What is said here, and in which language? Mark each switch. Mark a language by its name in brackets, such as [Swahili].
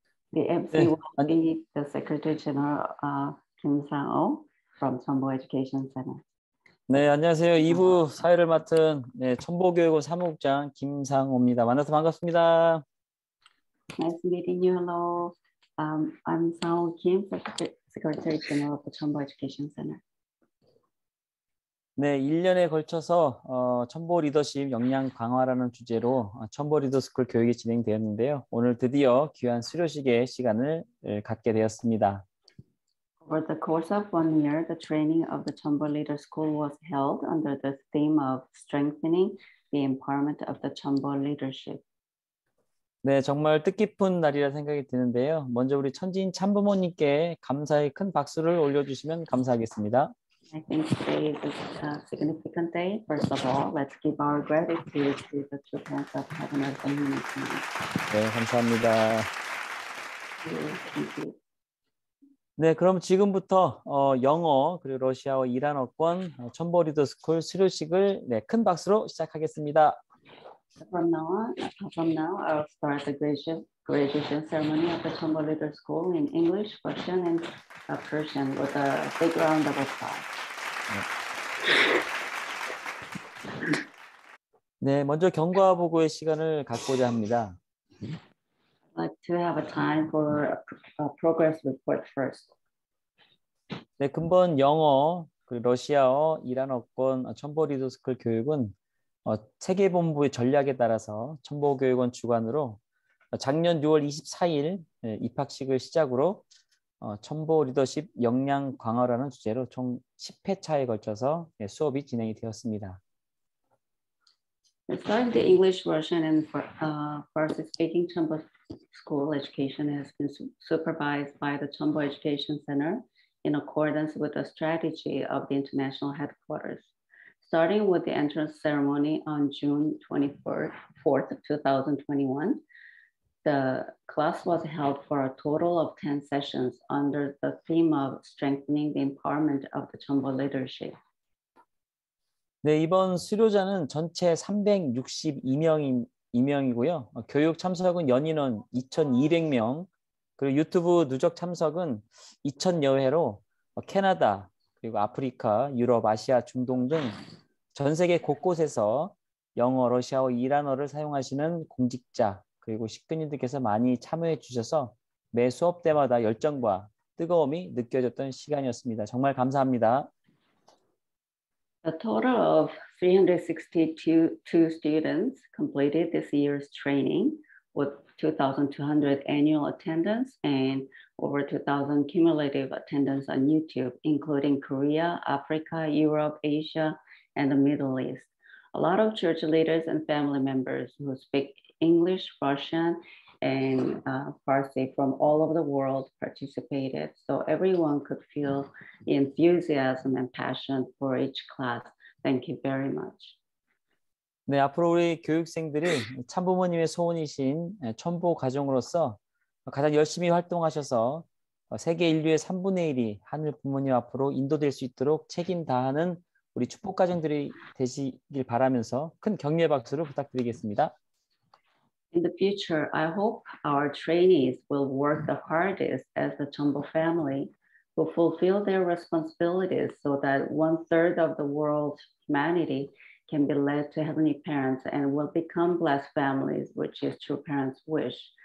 [English] The MC will be the Secretary General Kim Sang-ho from Chambo Education Center. [Korean] 네, 안녕하세요. 2부 사회를 맡은 네, 천보교육원 사무국장 김상호입니다. 만나서 반갑습니다. [English] Nice meeting you. Hello. I'm Sang-ho Kim, Secretary General of the Chambo Education Center. [Korean] 네, 1년에 걸쳐서 천보 리더십 역량 강화라는 주제로 천보 리더스쿨 교육이 진행되었는데요. 오늘 드디어 귀한 수료식의 시간을 갖게 되었습니다. [English] For the course of 1 year, the training of the Chambo Leader School was held under the theme of strengthening the empowerment of the Chambo leadership. [Korean] 네, 정말 뜻깊은 날이라 생각이 드는데요. 먼저 우리 천진 참부모님께 감사의 큰 박수를 올려주시면 감사하겠습니다. [English] I think today is a significant day. First of all, let's give our gratitude to the two parents of heaven and earth. [Korean] 네, 감사합니다. 네, 그럼 지금부터 영어 그리고 러시아어 이란어권 천보 리더 스쿨 수료식을 네, 큰 박수로 시작하겠습니다. [English] From now, I'll start the graduation ceremony of the Chambo Leader School in English, Russian, and Persian with a big round of applause. [Korean] 네, 먼저 경과 보고의 시간을 갖고자 합니다. [English] I'd like to have a time for a progress report first. [Korean] 네, 근본 영어, 그리고 러시아어, 이란어권, 천보 리더스쿨 교육은 체계본부의 전략에 따라서 천보교육원 주관으로 작년 6월 24일 입학식을 시작으로 천보 리더십 역량 강화라는 주제로 총 10회차에 걸쳐서 수업이 진행이 되었습니다. [English] It's like the English, Russian, and Farsi speaking Chambo School education has been supervised by the Chambo Education Center. In accordance with the strategy of the international headquarters. Starting with the entrance ceremony on June 24th, 2021, The class was held for a total of 10 sessions under the theme of strengthening the empowerment of the Chambo leadership. [Korean] 네, 이번 수료자는 전체 362명이고요. 교육 참석은 연인원 2,200명, 그리고 유튜브 누적 참석은 2,000여 회로 캐나다, 그리고 아프리카, 유럽, 아시아, 중동 등 전 세계 곳곳에서 영어, 러시아어, 이란어를 사용하시는 공직자, 그리고 식근인들께서 많이 참여해 주셔서 매 수업 때마다 열정과 뜨거움이 느껴졌던 시간이었습니다. 정말 감사합니다. [English] A total of 362 students completed this year's training with 2,200 annual attendance and over 2,000 cumulative attendance on YouTube, including Korea, Africa, Europe, Asia, and the Middle East. A lot of church leaders and family members who speak English, Russian, and Farsi from all over the world participated, so everyone could feel the enthusiasm and passion for each class. Thank you very much. [Korean] 네, 앞으로 우리 교육생들이 참부모님의 소원이신 천보 가정으로서 가장 열심히 활동하셔서 세계 인류의 3분의 1이 하늘 부모님 앞으로 인도될 수 있도록 책임 다하는 우리 축복 가정들이 되시길 바라면서 큰 격려의 박수를 부탁드리겠습니다. [English] In the future, I hope our trainees will work the hardest as the Chambo family who fulfill their responsibilities so that one third of the world's humanity can be led to heavenly parents and will become blessed families, which is true parents' wish.